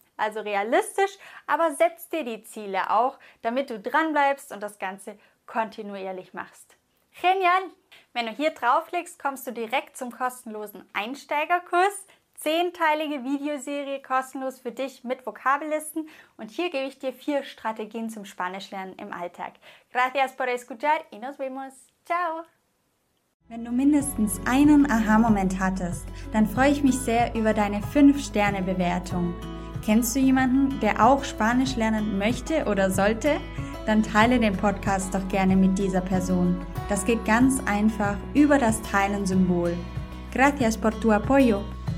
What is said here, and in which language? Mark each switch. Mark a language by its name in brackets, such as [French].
[German] Also realistisch, aber setz dir die Ziele auch, damit du dranbleibst und das Ganze kontinuierlich machst. Genial! Wenn du hier draufklickst, kommst du direkt zum kostenlosen Einsteigerkurs. 10-teilige Videoserie kostenlos für dich mit Vokabellisten. Und hier gebe ich dir 4 Strategien zum Spanischlernen im Alltag. [Spanish] Gracias por escuchar y nos vemos. [Italian] Ciao! [German] Wenn du mindestens einen Aha-Moment hattest, dann freue ich mich sehr über deine 5-Sterne-Bewertung. Kennst du jemanden, der auch Spanisch lernen möchte oder sollte? dann teile den Podcast doch gerne mit dieser Person. Das geht ganz einfach über das Teilen-Symbol. [Spanish] Gracias por tu apoyo.